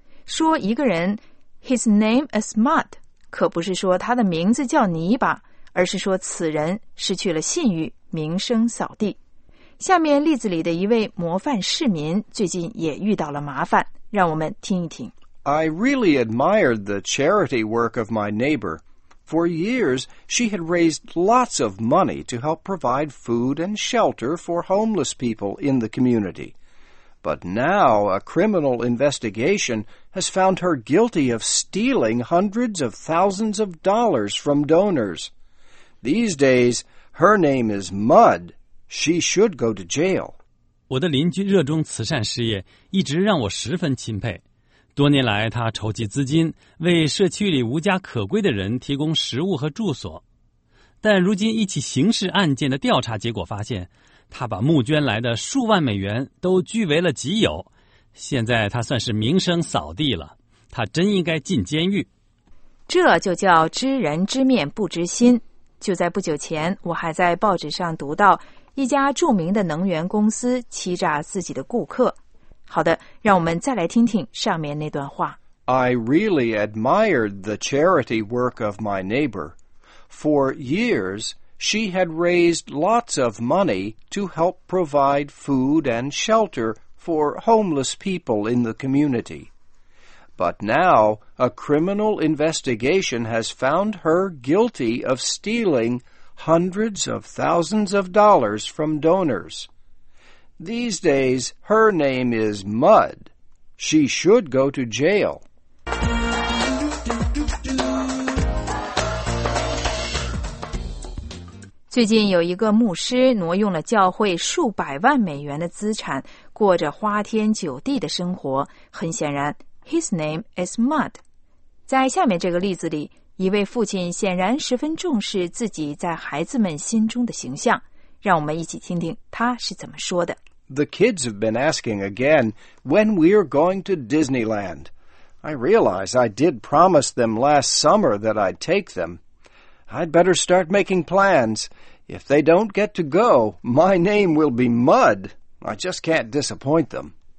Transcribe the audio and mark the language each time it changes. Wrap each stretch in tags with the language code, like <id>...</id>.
<zh>说一个人 ,</zh> <en>his name is mud,</en> <zh>可不是说他的名字叫泥巴，而是说此人失去了信誉，名声扫地。下面例子里的一位模范市民最近也遇到了麻烦，让我们听一听。</zh> <en>I really admired the charity work of my neighbor. For years, she had raised lots of money to help provide food and shelter for homeless people in the community. But now, a criminal investigation has found her guilty of stealing hundreds of thousands of dollars from donors. These days, her name is Mud. She should go to jail.</en> <zh>我的邻居热衷慈善事业，一直让我十分钦佩。多年来，他筹集资金，为社区里无家可归的人提供食物和住所。但如今一起刑事案件的调查结果发现，他把募捐来的数万美元都据为了己有。现在他算是名声扫地了，他真应该进监狱。这就叫知人知面不知心。就在不久前，我还在报纸上读到一家著名的能源公司欺诈自己的顾客。好的，让我们再来听听上面那段话。</zh> <en>I really admired the charity work of my neighbor. For years, she had raised lots of money to help provide food and shelter for homeless people in the community. But now, a criminal investigation has found her guilty of stealing hundreds of thousands of dollars from donors. These days, her name is Mud. She should go to jail.</en> <zh>最近有一个牧师挪用了教会数百万美元的资产，过着花天酒地的生活。很显然</zh> <en>，His name is Mud。</en> <zh>在下面这个例子里，一位父亲显然十分重视自己在孩子们心中的形象。让我们一起听听他是怎么说的。</zh> <en>The kids have been asking again when we're going to Disneyland. I realize I did promise them last summer that I'd take them. I'd better start making plans. If they don't get to go, my name will be Mud. I just can't disappoint them.</en>